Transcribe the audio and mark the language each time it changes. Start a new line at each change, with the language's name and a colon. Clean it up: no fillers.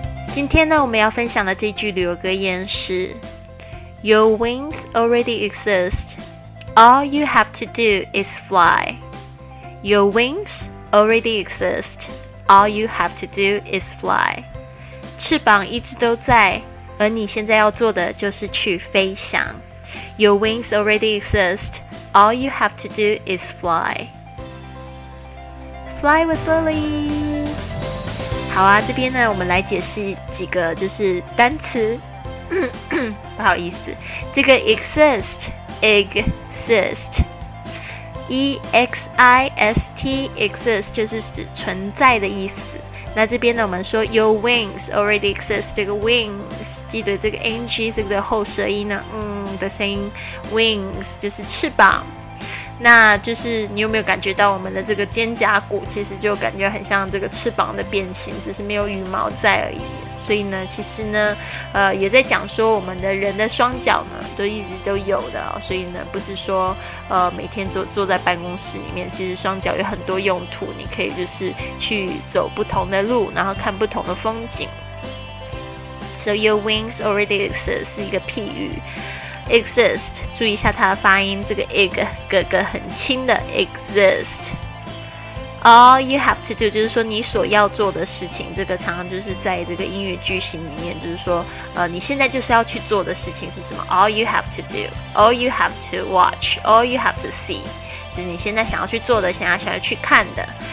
Chinese: 今天呢，我们要分享的这句旅游格言是
English: Your wings already exist. All you have to do is fly. Your wings already exist. All you have to do is fly.
Chinese: 翅膀一直都在，而你现在要做的就是去飞翔。
English: Your wings already exist. All you have to do is fly. Fly with Lily.
Chinese: 好啊，这边呢，我们来解释几个就是单词。不好意思，这个 exist, exist, E-X-I-S-T, exist 就是指存在的意思。那这边呢，我们说
English: your wings already exist，
Chinese: 这个 wings 记得这个 ng 这个后舌音呢，的声音 ，wings 就是翅膀。那就是你有没有感觉到我们的这个肩胛骨其实就感觉很像这个翅膀的变形，只是没有羽毛在而已。所以呢，其实呢，也在讲说我们的人的双脚呢都一直都有的、哦、所以呢不是说每天坐在办公室里面，其实双脚有很多用途，你可以就是去走不同的路，然后看不同的风景。
English: So your wings already exist
Chinese: 是一个譬喻。 Exist， 注意一下它的发音，这个 ig 哥哥很轻的 exist。
English: All you have to do
Chinese: 就是说你所要做的事情，这个常常就是在这个英语句型里面，就是说你现在就是要去做的事情是什么 ？
English: All you have to do， All you have to watch， All you have to see，
Chinese: 就是你现在想要去做的，想要去看的。